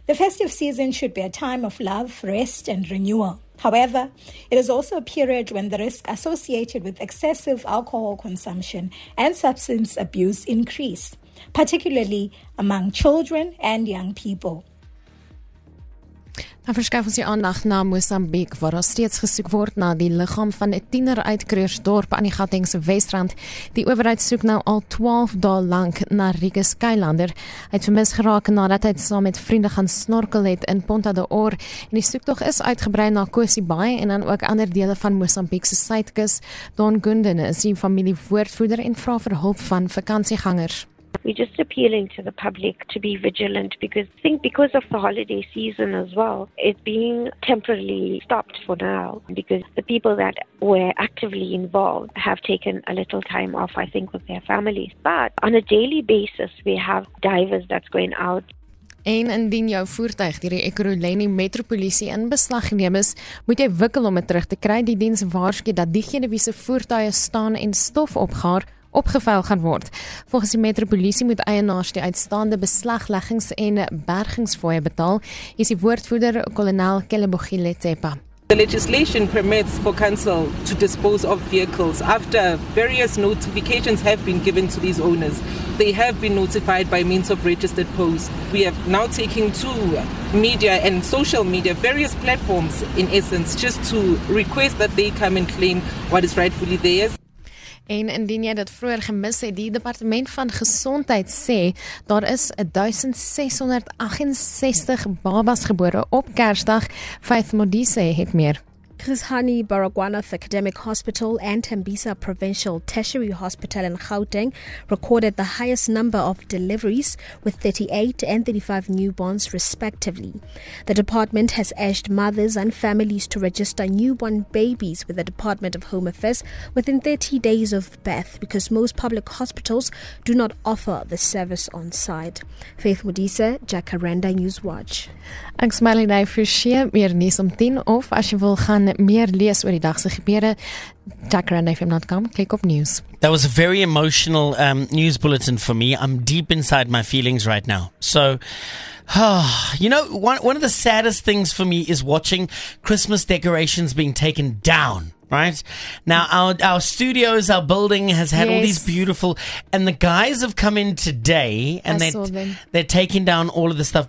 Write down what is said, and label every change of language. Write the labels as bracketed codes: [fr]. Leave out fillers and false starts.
[en] The festive season should be a time of love, rest and renewal. However, it is also a period when the risk associated with excessive alcohol consumption and substance abuse increase, particularly among children and young people. [af] Dan verskuif ons die aandag na Mosambiek, waar daar steeds gesoek word na die liggaam van 'n tiener uit Kreursdorp aan die Gautengse Wesrand. Die owerheid soek nou al 12 dae lank na Rikus Skylander. Hy het vermis geraak nadat hy saam met vriende gaan snorkel het in Ponta de Oor. En die soektog is uitgebrei na Kosibaai en dan ook ander dele van Mosambiek se suidkus. Don Gunden is die familie woordvoerder en vra vir hulp van vakansiegangers. [en] We're just appealing to the public to be vigilant because I think because of the holiday season as well, it's being temporarily stopped for now because the people that were actively involved have taken a little time off, I think, with their families. But on a daily basis, we have divers that's going out. [af] En indien jou voertuig deur die Ekurhuleni Metropolisie in beslag geneem is, moet jy wikkel om dit terug te kry. Die diens waarsku dat diegene wie se voertuie staan en stof opgaar, opgevuil gaan word. Volgens die metropolisie moet eienaars die uitstaande beslagleggings en bergingsfooie betaal, is die woordvoerder kolonel Kelebogile Tsepa. [en] The legislation permits for council to dispose of vehicles after various notifications have been given to these owners. They have been notified by means of registered posts. We have now taken to media and social media, various platforms in essence, just to request that they come and claim what is rightfully theirs. [af] En indien jy dit vroeër gemis het, die departement van gesondheid sê daar is 1668 babas gebore op Kersdag. Faith Modise het meer. [en] Chris Hani Baragwanath Academic Hospital and Tembisa Provincial Tertiary Hospital in Gauteng recorded the highest number of deliveries with 38 and 35 newborns respectively. The department has urged mothers and families to register newborn babies with the Department of Home Affairs within 30 days of birth because most public hospitals do not offer the service on site. Faith Modise, Jacaranda Newswatch. [af] Ek smaal nie vir seë meer nuus om 10 of as jy wil gaan meer lees oor die dag se gebeure jacarandafm.com klik op news. [en] That was a very emotional news bulletin for me. I'm deep inside my feelings right now. So you know, one of the saddest things for me is watching Christmas decorations being taken down. Right? Now, our studios, our building has had all these beautiful, and the guys have come in today, and they're taking down all of the stuff.